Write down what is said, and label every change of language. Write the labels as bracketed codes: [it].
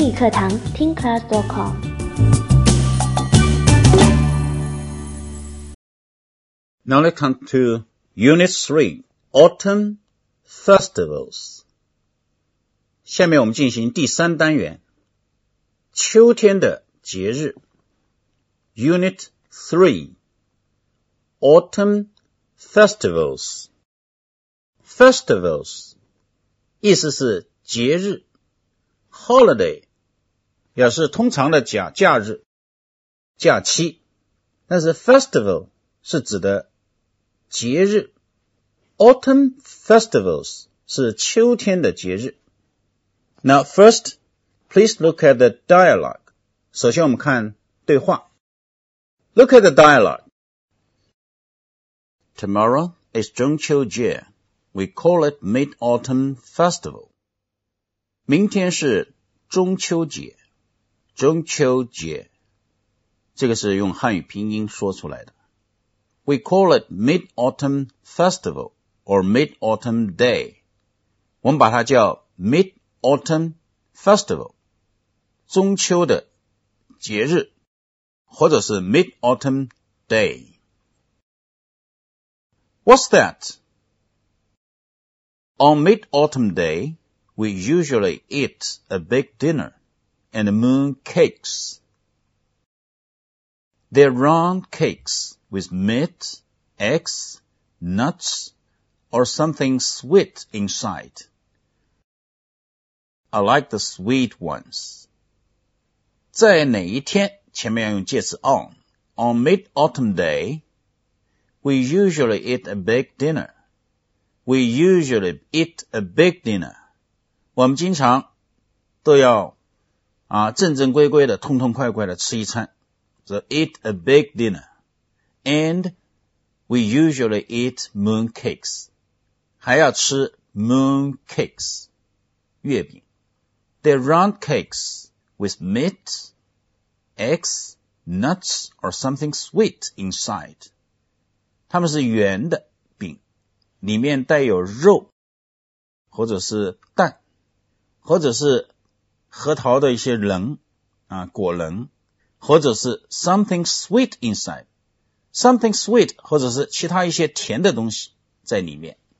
[zh] 堂听 class.com。 [en] Now let's come to Unit 3, Autumn Festivals. [zh] 下面我们进行第三单元，秋天的节日。 [en] Unit 3, Autumn Festivals. [zh] Festivals, 意思是节日。 Holiday, 表示通常的假日、假期。但是 Festival 是指的节日。 Autumn Festivals 是秋天的节日。 [en] Now first, please look at the dialogue. [zh] 首先我们看对话。 [en] Look at the dialogue. Tomorrow is 中秋节. We call it Mid-Autumn Festival. [zh] 明天是中秋节。中秋节。这个是用汉语拼音说出来的。 [en] We call it Mid-Autumn Festival or Mid-Autumn Day. [zh] 我们把它叫 Mid-Autumn Festival, 中秋的节日，或者是 Mid-Autumn Day. [en] What's that? On Mid-Autumn Day, we usually eat a big dinner and moon cakes. They're round cakes. With meat, eggs, nuts, or something sweet inside. I like the sweet ones. [zh] 在哪一天？前面要用介词 on. [en] On Mid-Autumn Day, we usually eat a big dinner. We usually eat a big dinner. [zh] 我们经常都要啊正正规规的、痛痛快快的吃一餐。 [en] So eat a big dinner. And we usually eat moon cakes. [zh] 还要吃 moon cakes, 月饼。 [en] They're round cakes with meat, eggs, nuts, or something sweet inside. [zh] 它们是圆的饼，里面带有肉，或者是蛋，或者是核桃的一些棱，啊，果棱，或者是 [en] something sweet inside. Something sweet, [zh] 或者是其他一些甜的东西在里面。